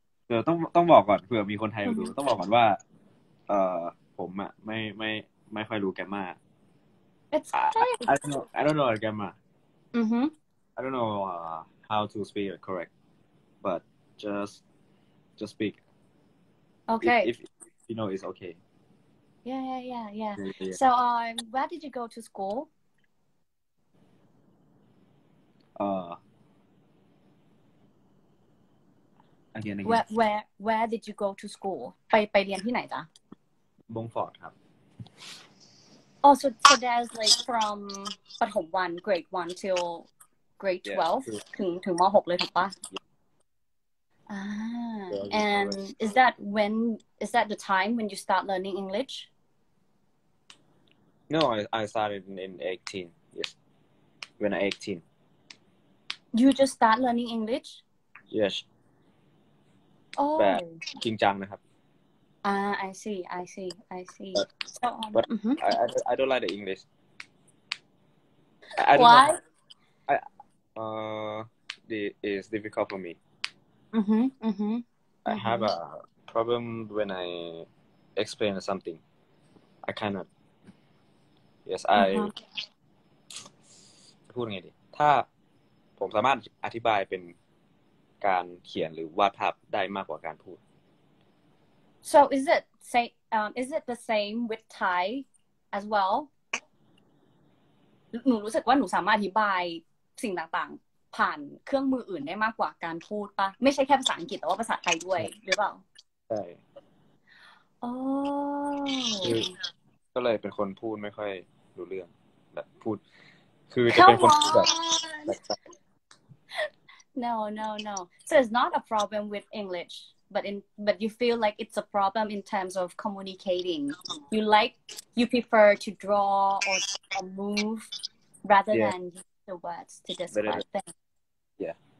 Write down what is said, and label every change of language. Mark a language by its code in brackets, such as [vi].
[th] เดี๋ยวต้องบอกก่อนเผื่อมีคนไทยดูต้องบอกก่อนว่าผมอ่ะไม่ค่อยรู้แกรมมา [en] I don't know the grammar. Mm-hmm. I don't know how to speak it correct, but just speak. Okay. If you know, it's okay. Yeah. So, where did you go to school? Again. Where did you go to school? [th] ไปเรียนที่ไหนจ๊ะ Bongfort ครับ [en] Oh, so that's like from ปฐมวัน grade 1 till grade 12 [th] ถึงม.6 เลยถูกป่ะ [en] Yeah. And is that the time when you start learning English? No, I started in 18. Yes. When I 18. You just start learning English? Yes. Oh. [th] แบบจริงจังนะครับ [en] I see. But I don't like the English. Why? It's difficult for me. Mm-hmm. I have a problem when I explain something. I cannot. Yes, I [th] พูดไงดีถ้าผมสามารถอธิบายเป็นการเขียนหรือวาดภาพได้มากกว่าการพูด [en] So is it the same with Thai as well? [th] หนูรู้สึกว่าหนูสามารถอธิบายสิ่งต่างๆผ่านเครื่องมืออื่นได้มากกว่าการพูดป่ะไม่ใช่แค่ภาษาอังกฤษแต่ว่าภาษาไทยด้วยหรือเปล่า ใช่ [en] Oh [th] ก็เลยเป็นคนพูดไม่ค่อยรู้เรื่องแบบพูดคือจะเป็นคนแบบ [en] No. So it's not a problem with English, but you feel like it's a problem in terms of communicating. You like, you prefer to draw or move rather than use the words to describe things. Yeah.